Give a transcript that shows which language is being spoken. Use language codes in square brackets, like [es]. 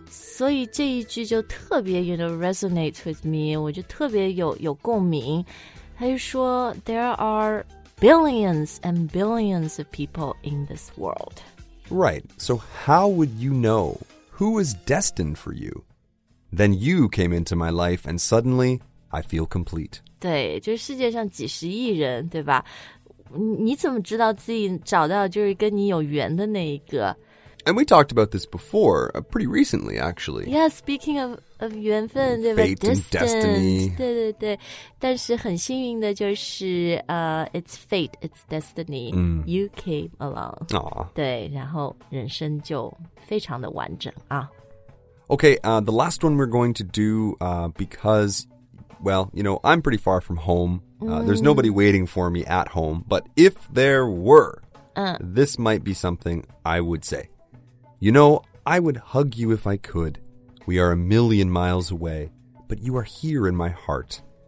[zh] 所以这一句就特别 [en] you know, resonates with me [zh] 我就特别 有共鸣他就说 [en] There are billions and billions of people in this world Right, so how would you know who is destined for youThen you came into my life, and suddenly, I feel complete. [zh] 对，就是世界上几十亿人，对吧？你怎么知道自己找到就是跟你有缘的那一个？ [en] And we talked about this before, pretty recently, actually. Yeah, speaking of 缘分, fate [zh] 对吧 [en] and destiny. [zh] 对对对，但是很幸运的就是 [en] it's fate, it's destiny.、 Mm. You came along. Aww. [zh] 对，然后人生就非常的完整啊。 [en] Okay, the last one we're going to do because, well, you know, I'm pretty far from home. There's nobody waiting for me at home. But if there were, this might be something I would say. You know, I would hug you if I could. We are a million miles away, but you are here in my heart.